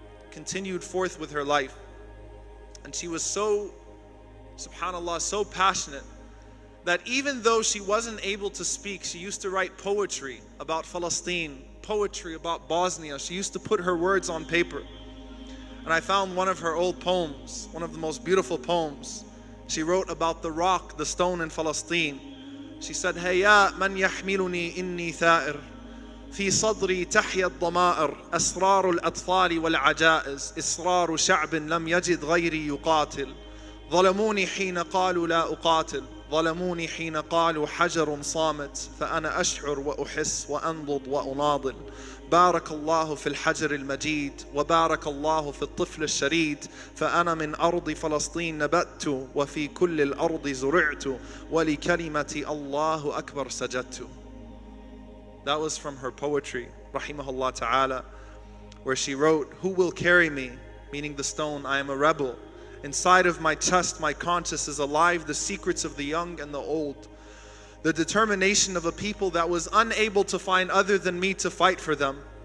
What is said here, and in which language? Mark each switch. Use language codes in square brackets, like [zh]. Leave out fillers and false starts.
[en] Continued forth with her life. And she was so, subhanAllah, so passionate that even though she wasn't able to speak, she used to write poetry about Palestine, poetry about Bosnia. She used to put her words on paper. And I found one of her old poems, one of the most beautiful poems. She wrote about the rock, the stone in Palestine. [ar] She said, هيا من يحملني إني ثائر في صدري تحيا الضمائر أسرار الأطفال والعجائز إصرار شعب لم يجد غيري يقاتل ظلموني حين قالوا لا أقاتل ظلموني حين قالوا حجر صامت فأنا أشعر وأحس وأنضض وأناضل بارك الله في الحجر المجيد وبارك الله في الطفل الشريد فأنا من أرض فلسطين نبت وفي كل الأرض زرعت ولكلمتي الله أكبر سجدت. [en] That was from her poetry, rahimahullah ta'ala, where she wrote, "Who will carry me?" Meaning the stone, "I am a rebel. Inside of my chest, my conscience is alive, the secrets of the young and the old. The determination of a people that was unable to find other than me to fight for them.